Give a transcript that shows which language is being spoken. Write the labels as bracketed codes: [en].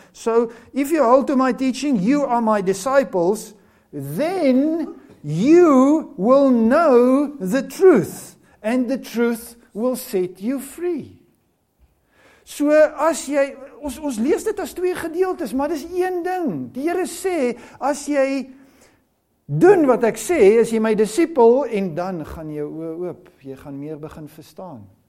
[en] So, if you hold to my teaching, you are my disciples, then you will know the truth and the truth will set you free. [af] So, as jy, ons lees dit as twee gedeeltes, maar dis een ding. Die Here sê, as jy doen wat ek sê, is jy my disipel, en dan gaan jy oë oop, jy gaan meer begin verstaan.